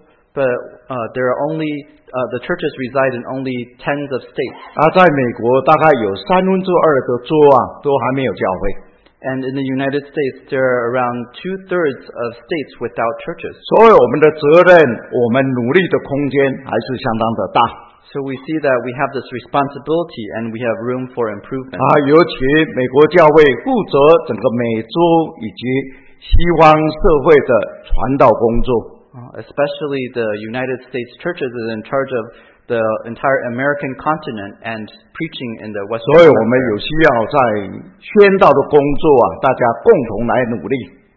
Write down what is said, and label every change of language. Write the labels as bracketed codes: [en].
[en] But, there are only, the churches reside in only tens of states. [zh] 在美国大概有三分之二的州啊都还没有教会。 [en] And in the United States, there are around 2/3 of states without churches. [zh] 所以我们的责任, 我们努力的空间还是相当的大。 [en] So we see that we have this responsibility and we have room for improvement. [zh] 尤其美国教会负责整个美洲以及西方社会的传道工作。 [en] Especially the United States churches is in charge of the entire American continent and preaching in the Western world. [zh] 所以我们有需要在宣道的工作啊，大家共同来努力。